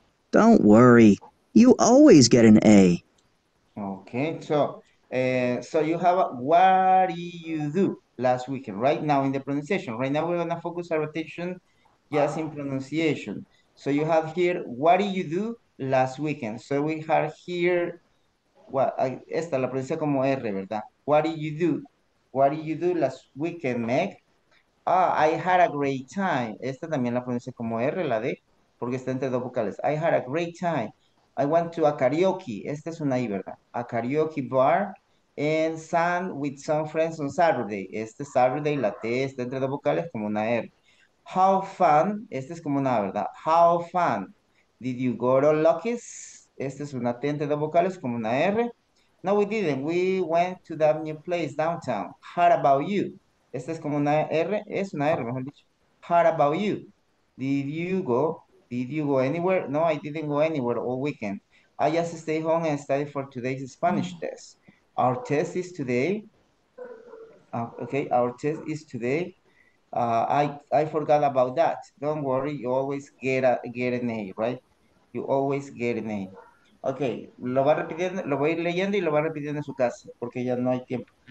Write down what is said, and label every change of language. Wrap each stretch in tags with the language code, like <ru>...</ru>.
<en>Don't worry. You always get an A. Okay, so you have a, what do you do last weekend? Right now in the pronunciation. Right now we're going to focus our attention just in pronunciation. So you have here, what did you do last weekend?</en> <es>So we have here, esta la pronuncia como R, ¿verdad?</es> <en>What did you do? What did you do last weekend, Meg? Ah, I had a great time.</en> <es>Esta también la pronuncia como R, la D, porque está entre dos vocales.</es> <en>I had a great time. I went to a karaoke.</en> <es>Esta es una I, ¿verdad?</es> <en>A karaoke bar and sang with some friends on Saturday.</en> <es>Este Saturday, la T, está entre dos vocales como una R.</es> <en>How fun,</en> <es>esta es como una, ¿verdad?</es> <en>How fun, did you go to Lucky's?</en> <es>Esta es una T entre dos vocales, como una R.</es> <en>No, we didn't, we went to that new place downtown. How about you?</en> <es>Esta es como una R, es una R, mejor dicho.</es> <en>How about you? Did you go anywhere? No, I didn't go anywhere all weekend. I just stayed home and studied for today's Spanish test. Our test is today. Okay, our test is today. I forgot about that. Don't worry, you always get an A, right? You always get an A.</en> <es>Okay, lo va repitiendo, lo voy a ir leyendo y lo va repitiendo en su casa, porque ya no hay tiempo.</es>